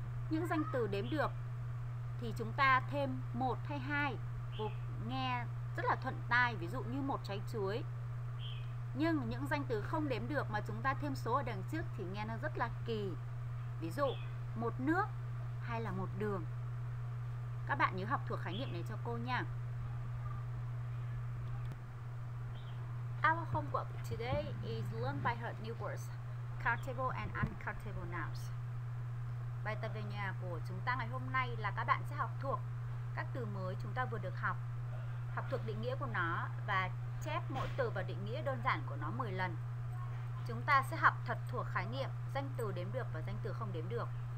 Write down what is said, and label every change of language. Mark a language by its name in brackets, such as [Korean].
[Vietnamese] Những danh từ đếm được thì chúng ta thêm 1 hay 2 nghe rất là thuận tai, ví dụ như một trái chuối. Nhưng những danh từ không đếm được mà chúng ta thêm số ở đằng trước thì nghe nó rất là kỳ. Ví dụ, một nước hay là một đường. Các bạn nhớ học thuộc khái niệm này cho cô nha. [English] Our homework today is learn by heart new words, countable and uncountable nouns. [Vietnamese] Bài tập về nhà của chúng ta ngày hôm nay là các bạn sẽ học thuộc các từ mới chúng ta vừa được học, học thuộc định nghĩa của nó và chép mỗi từ và định nghĩa đơn giản của nó 10 lần. Chúng ta sẽ học thật thuộc khái niệm danh từ đếm được và danh từ không đếm được.